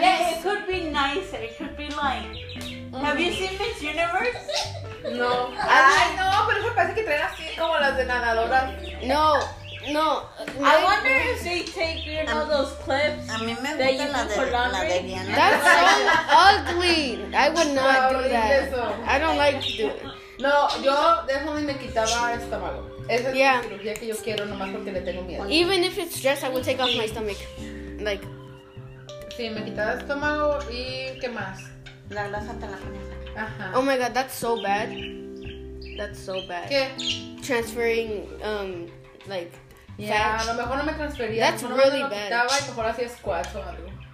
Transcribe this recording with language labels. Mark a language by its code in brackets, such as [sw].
[en] Yeah, it could be nicer. It could be like. Mm-hmm. Have you seen Miss Universe? No. [es] Ay, no, pero eso parece que traen así como las de nadadora. No. No, [en] I wonder if they take, you know, those clips that you do for laundry. That's so ugly. I would not do that. I don't like to do it. [es] No, yo déjame me quitaba esta mano. Esa es la cirugía que yo quiero nomás porque le tengo miedo. [en] Even if it's stress, I would take off my stomach. Like. [es] Sí, me quitaba el estómago y ¿qué más? La grasa te la pones. [en] Ajá. Oh my God, that's so bad. That's so bad. [es] ¿Qué? [en] Transferring, like, yeah, fat. [es] A lo mejor no me transfería. [en] That's really bad. [es] Me quitaba y mejor hacía squats o algo.